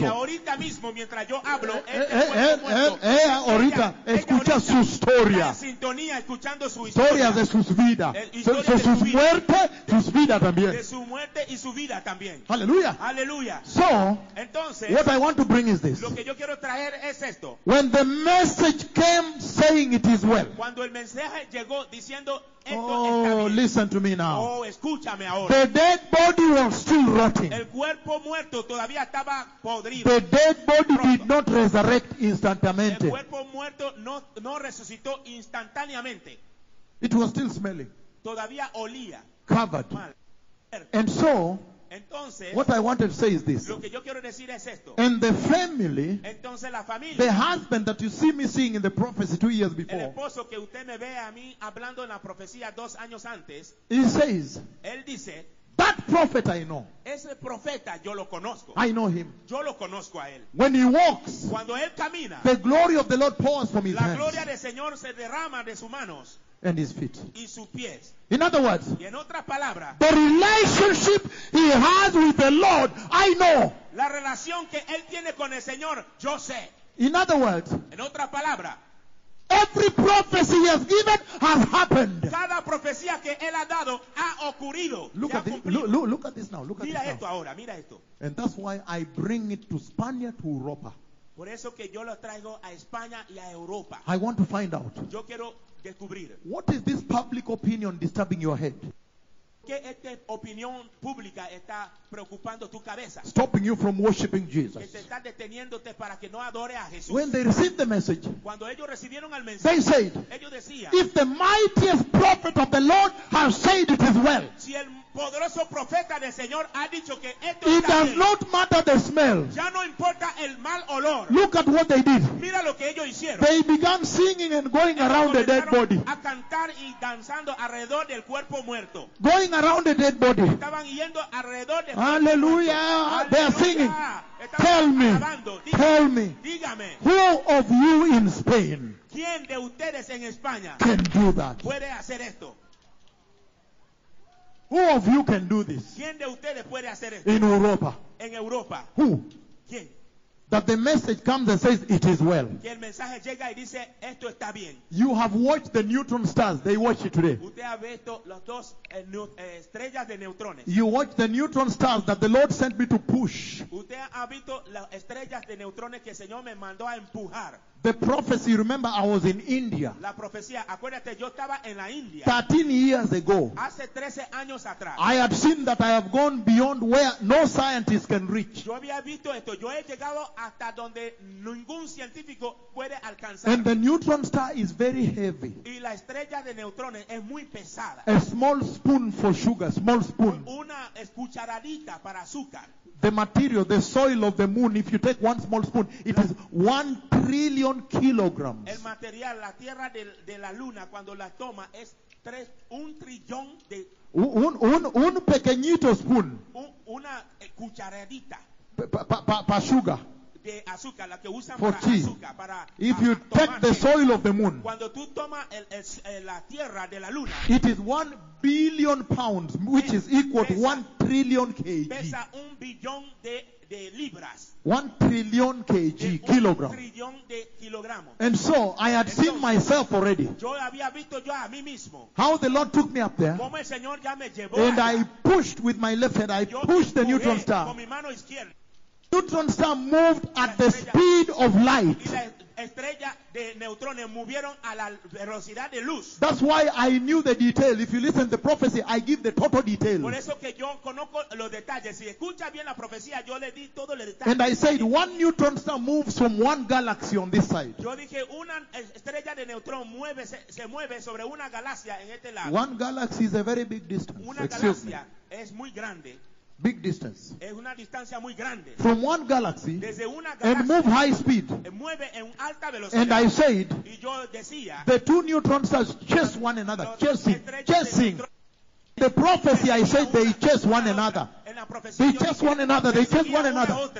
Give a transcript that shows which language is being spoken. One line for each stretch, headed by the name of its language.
Spanish: Y ahorita mismo, mientras yo hablo, ella ahorita escucha su historia. Sintonía, escuchando su historia de sus vidas. Sus muertes, sus vidas también. De su muerte y su vida también. Aleluya. Aleluya.
English: So,
Spanish: entonces,
English: what I want to bring is this.
Spanish: Lo que yo quiero traer es esto.
English: When the message came saying it is well.
Spanish: Cuando el mensaje llegó diciendo esto,
English: oh, listen to me now.
Spanish: Oh, escúchame ahora.
English: The dead body was still rotting.
Spanish: El cuerpo muerto todavía estaba podrido.
English: The dead body roto. Did not resurrect instantaneously.
Spanish: El cuerpo muerto no resucitó instantáneamente.
English: It was still smelling.
Spanish: Todavía olía.
English: Covered.
Spanish: Mal.
English: And so,
Spanish: entonces,
English: what I wanted to say is this.
Spanish: Lo que yo quiero decir es esto.
English: And the family,
Spanish: entonces, la familia,
English: the husband that you see me seeing in the prophecy 2 years before,
Spanish: el esposo que usted me ve a mí hablando en la profecía 2 años antes,
English: he says,
Spanish: él dice,
English: that prophet I know.
Spanish: Ese profeta yo lo conozco.
English: I know him.
Spanish: Yo lo conozco a él.
English: When he walks,
Spanish: cuando él camina,
English: the glory of the Lord pours from his
Spanish: la
English: hands.
Spanish: La gloria del Señor se derrama de sus manos.
English: And his feet.
Spanish: Y sus pies.
English: In other words,
Spanish: y en otras palabras,
English: the relationship he has with the Lord, I know.
Spanish: La relación que él tiene con el Señor, yo sé.
English: In other words,
Spanish: en otras palabras,
English: every prophecy he has given has happened.
Spanish: Cada profecía que él ha dado ha ocurrido.
English: Look at this. Look at this now. Look
Spanish: mira
English: at this
Spanish: esto
English: now.
Spanish: Ahora. Mira esto.
English: And that's why I bring it to Spain, to Europa.
Spanish: Por eso que yo lo traigo a España y a Europa.
English: I want to find out.
Spanish: Yo quiero descubrir.
English: What is this public opinion disturbing your head?
Spanish: ¿Qué esta opinión pública está preocupando tu cabeza?
English: Stopping you from worshiping Jesus.
Spanish: Que te está deteniéndote para que no adore a Jesús.
English: When they received the message,
Spanish: cuando ellos recibieron el mensaje,
English: they said,
Spanish: ellos decían,
English: if the mightiest prophet of the Lord has said it is well.
Spanish: Si el poderoso profeta del Señor ha dicho que esto
English: it does not matter the smell.
Spanish: Ya no importa el mal olor.
English: Look at what they did.
Spanish: Mira lo que ellos hicieron.
English: They began singing and going
Spanish: ellos
English: around the dead body.
Spanish: A cantar y danzando alrededor del cuerpo muerto.
English: Going around the dead body.
Spanish: Estaban yendo alrededor del
English: Hallelujah.
Spanish: Cuerpo muerto.
English: Hallelujah. They are singing. Tell me.
Spanish: Dígame,
English: tell me.
Spanish: Dígame.
English: Who of you in Spain?
Spanish: ¿Quién de ustedes en España
English: can do that?
Spanish: Puede hacer esto.
English: Who of you can do this?
Spanish: ¿Quién de ustedes puede hacer esto?
English: In Europa.
Spanish: En Europa.
English: Who?
Spanish: ¿Quién?
English: That the message comes and says it is well.
Spanish: Que el mensaje llega y dice, esto está bien.
English: You have watched the neutron stars. They watch it today.
Spanish: Usted ha visto los dos estrellas de neutrones.
English: You watch the neutron stars that the Lord sent me to push.
Spanish: Usted ha visto las estrellas de neutrones que el Señor me mandó a empujar.
English: The prophecy, remember, I was in India.
Spanish: La profecía, acuérdate, yo estaba en la India.
English: 13 years ago.
Spanish: Hace 13 años atrás.
English: I had seen that I have gone beyond where no scientist can reach.
Spanish: Yo había visto esto. Yo he llegado hasta donde ningún científico puede alcanzar.
English: And the neutron star is very heavy.
Spanish: Y la estrella de neutrones es muy pesada.
English: A small spoon for sugar, small spoon.
Spanish: Una cucharadita para azúcar.
English: The material, the soil of the moon, if you take one small spoon, it is 1 trillion kilograms.
Spanish: El material, la tierra de la luna, cuando la toma, es un trillón de... Un pequeñito spoon. Una cucharadita. Pa sugar. De azúcar, la que usan
English: for
Spanish: para
English: tea.
Spanish: Azúcar, para
English: if you
Spanish: tomar,
English: take the soil of the moon,
Spanish: cuando tú toma la tierra de la luna,
English: it is 1 billion pounds, which is equal to 1 trillion kg.
Spanish: Pesa 1 billón de libras.
English: 1 trillion kg, kilogram.
Spanish: Trillón de kilogramos.
English: And so, I had seen myself already.
Spanish: Yo había visto yo a mí mismo.
English: How the Lord took me up there.
Spanish: Como el Señor ya me llevó
English: and
Spanish: allá.
English: I pushed with my left hand, I
Spanish: yo
English: pushed the neutron star.
Spanish: Con mi mano izquierda.
English: Neutron star moved at the speed of light.
Spanish: Estrella de neutrones movieron a la velocidad de luz.
English: That's why I knew the detail. If you listen to the prophecy, I give the total detail.
Spanish: Por eso que yo conozco los detalles. Si escucha bien la profecía, yo le di todo el detalle.
English: And I said one neutron star moves from one galaxy on this side.
Spanish: Yo dije una estrella de neutrón se mueve sobre una galaxia en este lado.
English: One galaxy is a very big distance.
Spanish: Una galaxia es muy grande.
English: Big distance.
Spanish: Es una distancia muy grande.
English: From one galaxy.
Spanish: Desde una galaxia.
English: And move high speed.
Spanish: Mueve en alta velocidad.
English: And I said.
Spanish: Y yo decía.
English: The two neutron stars chase one another. Chasing. The prophecy I said they chase one another. They chased one another. They chased one another.